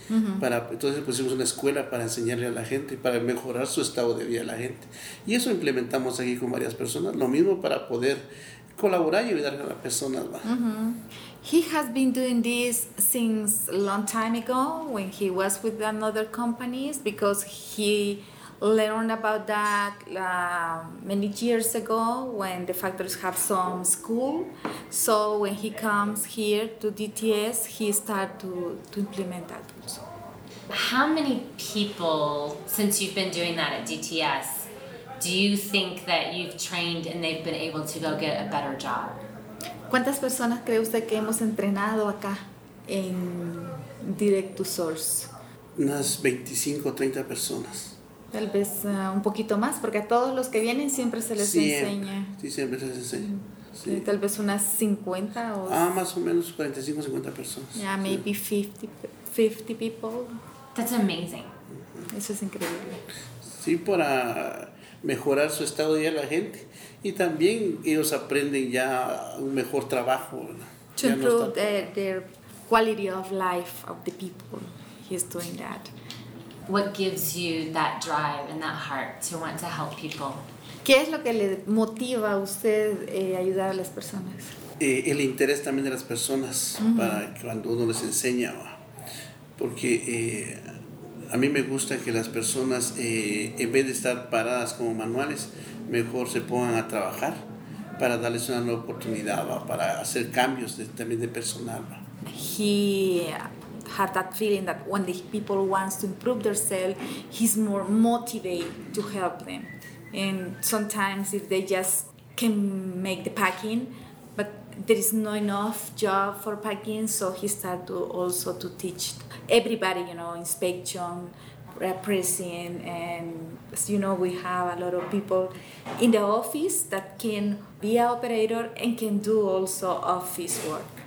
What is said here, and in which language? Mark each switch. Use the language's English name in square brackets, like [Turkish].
[Spanish] Entonces pusimos una escuela para enseñarle a la gente, para mejorar su estado de vida a la gente. Y eso implementamos aquí con varias personas, lo mismo para poder colaborar y ayudar a las personas. [English] He has been doing this since a long time ago when he was with another companies because he learned about that many years ago when the factories have some school. So when he comes here to DTS, he started to implement that also. How many people, since you've been doing that at DTS, do you think that you've trained and they've been able to go get a better job? [Spanish] ¿Cuántas personas cree usted que hemos entrenado acá en Direct to Source? Unas 25 o 30 personas. Tal vez un poquito más, porque a todos los que vienen siempre se les enseña. Sí, siempre se les enseña. Sí. Tal vez unas 50 o... Más o menos 45 o 50 personas. [English] Yeah, maybe sí. 50 people. That's amazing. [Spanish] Uh-huh. Eso es increíble. Sí, para mejorar su estado de vida la gente. Y también ellos aprenden ya un mejor trabajo. [English] To improve their quality of life of the people. He's doing that. What gives you that drive and that heart to want to help people? [Spanish] ¿Qué es lo que le motiva a usted ayudar a las personas? El interés también de las personas para cuando uno les enseña. Porque a mí me gusta que las personas, en vez de estar paradas como manuales, mejor se pongan a trabajar para darles una nueva oportunidad, ¿va? Para hacer cambios de, también de personal. ¿Va? [English] He had that feeling that when the people wants to improve themselves, he's more motivated to help them. And sometimes if they just can make the packing, but there is no enough job for packing, so he started to also to teach everybody, you know, inspection, pressing, and as you know, we have a lot of people in the office that can be an operator and can do also office work.